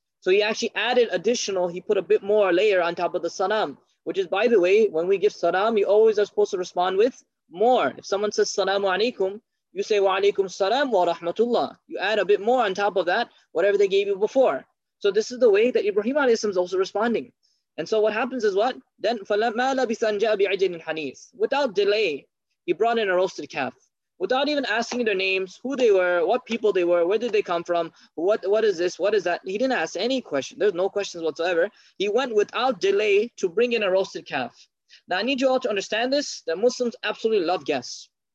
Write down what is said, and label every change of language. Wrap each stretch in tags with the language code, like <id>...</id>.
<en>So he actually added additional, he put a bit more layer on top of the salam, which is, by the way, when we give salam, you always are supposed to respond with more. If someone says, salamu alaikum, You say wa alaykum salam wa rahmatullah. You add a bit more on top of that, whatever they gave you before. So this is the way that Ibrahim alayhi salam is also responding. And so what happens is what? Then</en> <ar>فَلَمَّا لَبِثَ أَنْ جَاءَ بِعِجْلٍ حَنِيثٍ.</ar> <en>Without delay, he brought in a roasted calf. Without even asking their names, who they were, what people they were, where did they come from, what is this, what is that? He didn't ask any question. There's no questions whatsoever. He went without delay to bring in a roasted calf. Now I need you all to understand this, that Muslims absolutely love guests.</en>